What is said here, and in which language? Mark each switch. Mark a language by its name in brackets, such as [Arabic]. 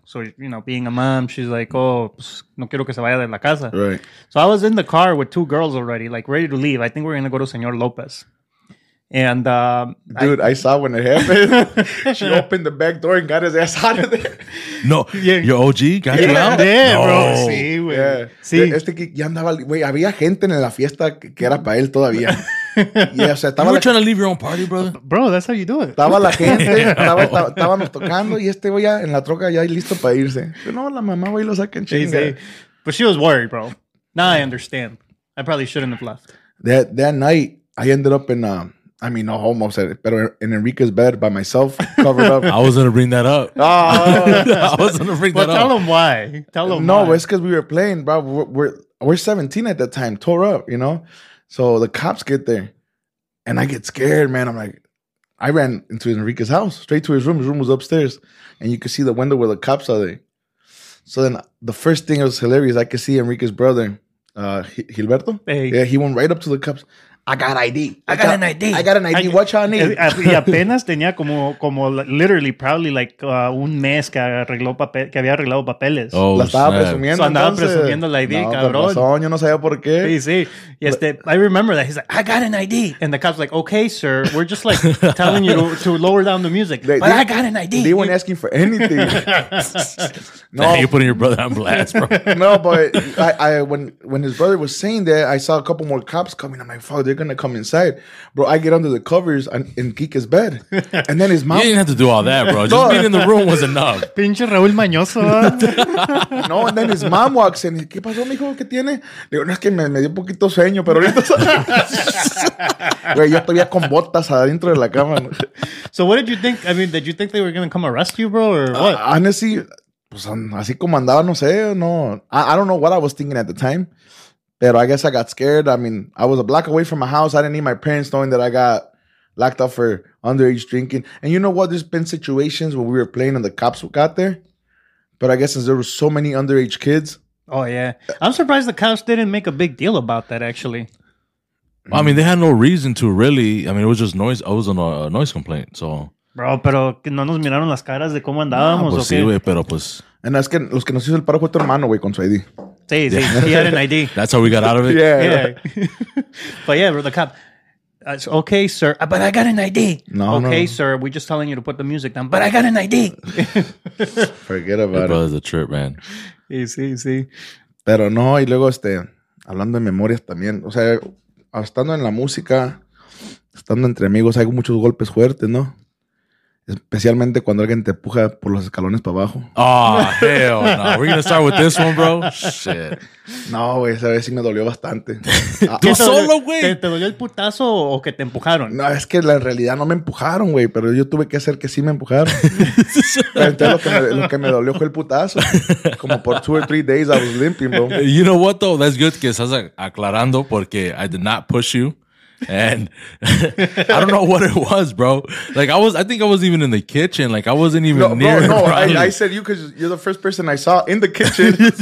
[English] So, you know, being a mom, she's like, [Spanish] oh, pues, no quiero que se vaya de la casa. [English] Right. So I was in the car with two girls already, like, ready to leave. I think we're going to go to Señor López. And I saw when it happened. She opened the back door and got his ass out of there. No. Yeah. Your OG got you out? Yeah, no. [Spanish] Bro. Sí, güey. Yeah. Sí. Este que ya andaba... Güey, había gente en la fiesta que era para él todavía. [English] Yeah, [Spanish] o sea, estaba [English] trying to leave your own party, brother. Bro, that's how you do it. [Spanish] Estaba la gente, estábamos tocando y este voy ya en la troca ya listo para irse. Pero no, la mamá voy y lo saquen chinga. Sí, sí. [English] But she was worried, bro. Now I understand. I probably shouldn't have left. That night, I ended up in, [Spanish] no homo, pero [English] in Enrique's bed by myself, covered up. I was going to bring that up. Tell him why. Tell him no, why. No, it's because we were playing, bro. We're 17 at that time, tore up, you know? So the cops get there, and I get scared, man. I'm like, I ran into Enrique's house, straight to his room. His room was upstairs, and you could see the window where the cops are there. So then the first thing that was hilarious, I could see Enrique's brother, Gilberto. Hey. Yeah, he went right up to the cops. I got an ID. Watch how I need. [Spanish] Y apenas tenía como [English] literally, probably like [Spanish] un mes que había arreglado papeles. Oh, la estaba presumiendo. So andaba presumiendo la ID, no, cabrón. Razón, yo no sabía por qué. Sí, sí. [English] Y I remember that. He's like, I got an ID. And the cop's like, okay, sir. We're just like telling you to lower down the music. I got an ID. They weren't asking for anything. No. Damn, you're putting your brother on blast, bro. No, but when his brother was saying that, I saw a couple more cops coming. I'm like, fuck, they're going to come inside. Bro, I get under the covers in Kike's bed. And then his mom... You didn't have to do all that, bro. Just being in the room was enough. [Spanish] Pinche Raúl Mañoso. [English] No, and then his mom walks in. [Spanish] ¿Qué pasó, mijo? ¿Qué tiene? Le digo, no, es que me dio poquito sueño, pero ahorita... Güey, yo todavía con botas adentro de la cama. [English] So what did you think? I mean, did you think they were going to come arrest you, bro, or what? [Spanish] Honestly, pues así como andaba, no sé, no... [English] I don't know what I was thinking at the time. But I guess I got scared. I mean, I was a block away from my house. I didn't need my parents knowing that I got locked up for underage drinking. And you know what? There's been situations where we were playing and the cops got there. But I guess since there were so many underage kids. Oh, yeah. I'm surprised the cops didn't make a big deal about that, actually. I mean, they had no reason to, really. I mean, it was just noise. I was on a noise complaint, so. [Spanish] Bro, pero no nos miraron las caras de cómo andábamos, ¿o qué? Pues sí, güey, pero pues. And es que los que nos hizo el paro fue tu hermano, güey, con su ID. Sí, yeah. Sí, [English] he had an ID. That's how we got out of it? Yeah. Yeah. But yeah, bro, the cop, okay, sir, but I got an ID. No, okay, no. Okay, sir, we're just telling you to put the music down, but I got an ID. Forget about it. Your brother's a trip, man. [Spanish] Sí, sí, sí. Pero no, y luego, hablando de memorias también, o sea, estando en la música, estando entre amigos, hay muchos golpes fuertes, ¿no? Especialmente cuando alguien te empuja por los escalones para abajo. Oh, hell no. We're going to start with this one, bro. Shit. No, güey, esa vez sí me dolió bastante. ¿Tú solo, güey? ¿Te dolió el putazo o que te empujaron? No, es que en realidad no me empujaron, güey, pero yo tuve que hacer que sí me empujaron. Entonces lo que me dolió fue el putazo. Como por [English] 2 or 3 days I was limping, bro. You know what, though? That's good [Spanish] que estás aclarando porque [English] I did not push you. And I don't know what it was, bro. Like, I think I was even in the kitchen. Like, I wasn't even near. No, bro. I said you because you're the first person I saw in the kitchen.